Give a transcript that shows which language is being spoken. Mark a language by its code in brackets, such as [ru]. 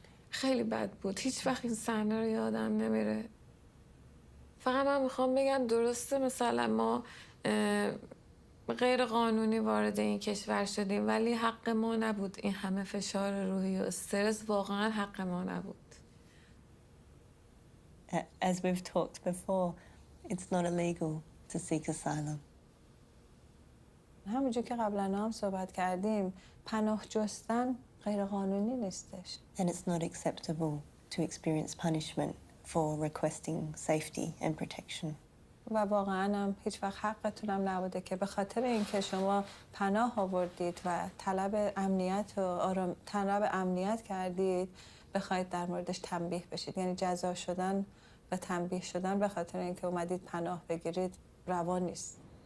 [fa] خیلی بد بود هیچ وقت این صحنه رو یادم نمیره فقط من میخوام بگم درسته مثلا ما غیر قانونی وارد این کشور شدیم ولی حق ما نبود این همه فشار روحی و استرس واقعا حق ما نبود [en] As we've talked before, it's not illegal to seek asylum. [fa] همونجوری که قبلا هم صحبت کردیم، پناه جستن غیر قانونی نیستش. [en] And it's not acceptable to experience punishment for requesting safety and protection. [fa] و واقعا هم هیچ وقت حقتون هم نبوده که به خاطر اینکه شما پناه آوردید و طلب امنیت و طلب امنیت کردید بخواید در موردش تنبیه بشید یعنی جزا شدن و تنبیه شدن به خاطر اینکه اومدید پناه بگیرید روا نیست.